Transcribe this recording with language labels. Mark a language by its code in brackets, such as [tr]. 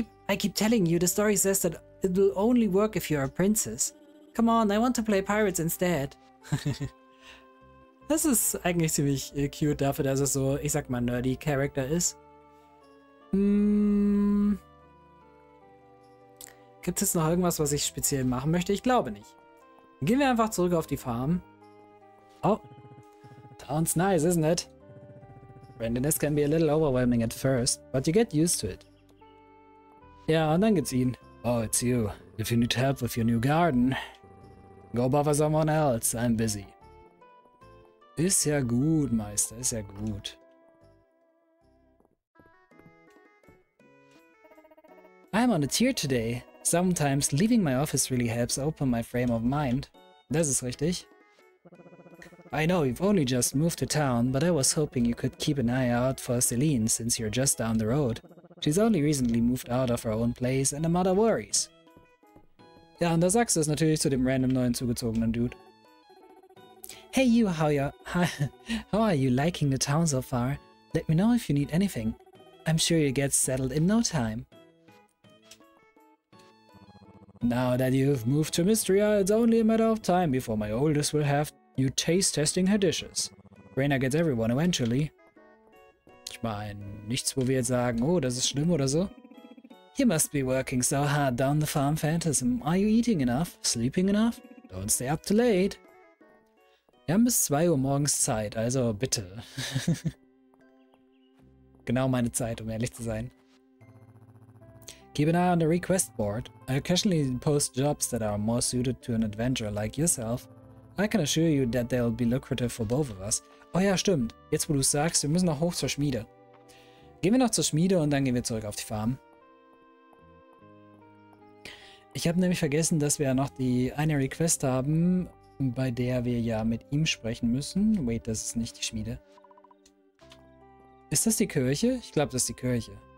[en] I keep telling you, the story says that it will only work if you're a princess. Come on, I want to play Pirates instead. [de] Das ist eigentlich ziemlich cute dafür, dass es so, ich sag mal, nerdy Charakter ist. Gibt es noch irgendwas, was ich speziell machen möchte? Ich glaube nicht. Gehen wir einfach zurück auf die Farm. [en] Oh, sounds nice, isn't it? Randomness can be a little overwhelming at first, but you get used to it. [de] Ja, und dann geht's ihn. [en] Oh, it's you. If you need help with your new garden... Go bother someone else, I'm busy. [de] Ist ja gut, Meister, ist ja gut. [en] I'm on a tear today. Sometimes leaving my office really helps open my frame of mind. [de] Das ist richtig. [en] I know you've only just moved to town, but I was hoping you could keep an eye out for Celine since you're just down the road. She's only recently moved out of her own place and the mother worries. [de] Ja, und da sagst du es natürlich zu dem random neuen zugezogenen Dude. [en] Hey you, how are you liking the town so far? Let me know if you need anything. I'm sure you get settled in no time. Now that you've moved to Mystria, it's only a matter of time before my oldest will have you taste testing her dishes. Rainer gets everyone eventually. [de] Ich meine, nichts, wo wir jetzt sagen, oh, das ist schlimm oder so. [en] You must be working so hard down the farm, Phantasm. Are you eating enough? Sleeping enough? Don't stay up too late. [de] Wir haben bis 2 Uhr morgens Zeit, also bitte. Genau meine Zeit, um ehrlich zu sein. [en] Keep an eye on the request board. I occasionally post jobs that are more suited to an adventurer like yourself. I can assure you that they'll be lucrative for both of us. [de] Oh ja, stimmt. Jetzt wo du sagst, wir müssen noch hoch zur Schmiede. Gehen wir noch zur Schmiede und dann gehen wir zurück auf die Farm. Ich habe nämlich vergessen, dass wir ja noch die eine Request haben, bei der wir ja mit ihm sprechen müssen. Wait, das ist nicht die Schmiede. Ist das die Kirche? Ich glaube, das ist die Kirche.